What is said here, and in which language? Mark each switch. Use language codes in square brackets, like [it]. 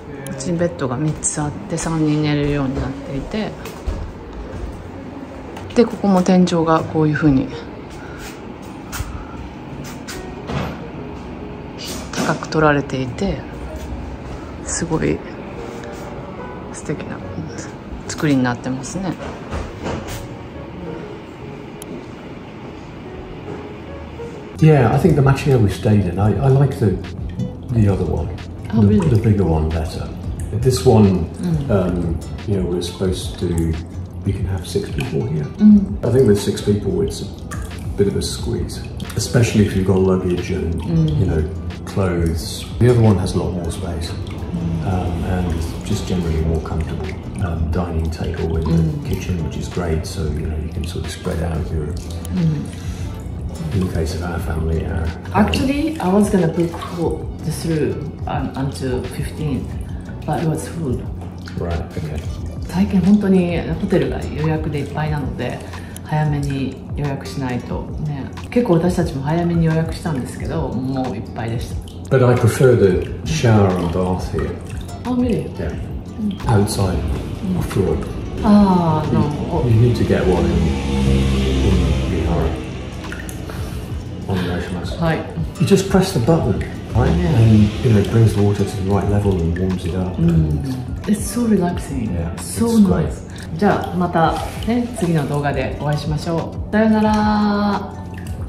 [ja] うちにベッドが三つあって三人寝れるようになっていて、でここも天井がこういうふうに高く取られていて、すごい素敵な作りになってますね。 [en] Yeah, I think the material we stayed in, I like the other one, the bigger one better. This one, you know, we're supposed to, we can have six people here. I think with six people, it's a bit of a squeeze, especially if you've got luggage and, you know. Clothes. The other one has a lot more space, and just generally more comfortable dining table in the kitchen, which is great. So you know you can sort of spread out your. In the case of our family, our actually I was gonna book for this room until 15th, but it was full. Right. Okay. [ja] 最近本当にホテルが予約でいっぱいなので、早めに予約しないとね。結構私たちも早めに予約したんですけど、もういっぱいでした。 [en] But I prefer the shower and bath here. Oh, really? Yeah. Outside, on the floor. Ah, no. You need to get one in Bihara. On the ice mask. Hi. You just press the button, right? Yeah. And you know, it brings the water to the right level and warms it up. It's so relaxing. Yeah. So nice. Great. [ja] じゃあまたね、次の動画でお会いしましょう。さよなら。